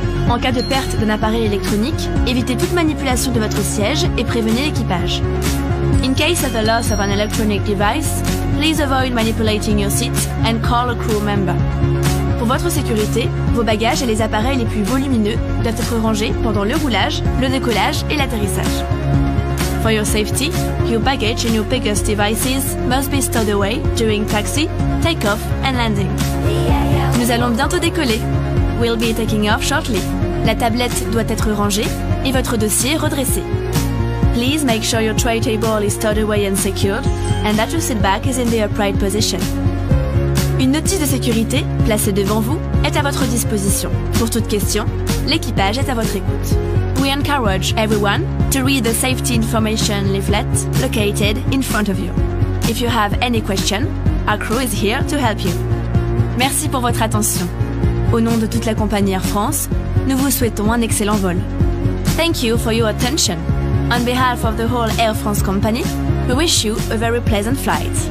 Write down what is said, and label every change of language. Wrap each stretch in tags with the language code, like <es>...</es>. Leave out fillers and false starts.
<fr>En cas de perte d'un appareil électronique, évitez toute manipulation de votre siège et prévenez l'équipage.</fr> <en>In case of the loss of an electronic device, please avoid manipulating your seat and call a crew member.</en> <fr>Pour votre sécurité, vos bagages et les appareils les plus volumineux doivent être rangés pendant le roulage, le décollage et l'atterrissage.</fr> <en>For your safety, your baggage and your biggest devices must be stowed away during taxi, take-off and landing.</en> <fr>Nous allons bientôt décoller.</fr> <en>We'll be taking off shortly.</en> <fr>La tablette doit être rangée et votre dossier redressé.</fr> <en>Please make sure your tray table is stowed away and secured and that your seat back is in the upright position.</en> <fr>Une notice de sécurité, placée devant vous, est à votre disposition. Pour toute question, l'équipage est à votre écoute.</fr> <en>We encourage everyone to read the safety information leaflet located in front of you. If you have any question, our crew is here to help you.</en> <fr>Merci pour votre attention. Au nom de toute la compagnie Air France, nous vous souhaitons un excellent vol.</fr> <en>Thank you for your attention. On behalf of the whole Air France company, we wish you a very pleasant flight.</en>